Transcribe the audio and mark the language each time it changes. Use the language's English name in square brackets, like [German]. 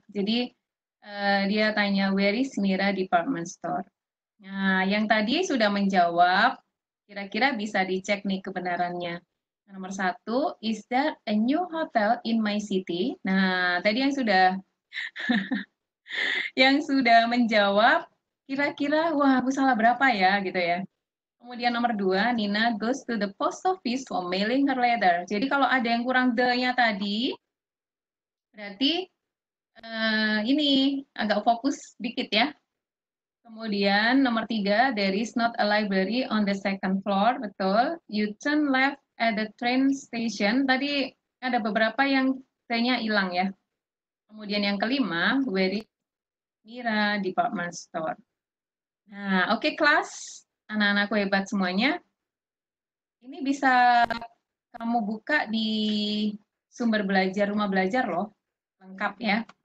[Indonesian] Jadi dia tanya [English] where is Mira department store. [Indonesian] Nah, yang tadi sudah menjawab, kira-kira bisa dicek nih kebenarannya. [English] Nomor 1, is there a new hotel in my city? [Indonesian] Nah, tadi yang sudah yang sudah menjawab, kira-kira, wah, aku salah berapa ya, gitu ya. [English] Kemudian nomor 2, Nina goes to the post office for mailing her letter. [Indonesian] Jadi kalau ada yang kurang the-nya tadi, berarti ini agak fokus dikit ya. [English] Kemudian nomor 3, there is not a library on the second floor, betul. You turn left at the train station. [Indonesian] Tadi ada beberapa yang the-nya hilang ya. Kemudian yang 5, [English] where is Mira department store. [Indonesian] Nah, oke okay, kelas, anak-anakku hebat semuanya. Ini bisa kamu buka di sumber belajar rumah belajar loh, lengkap ya.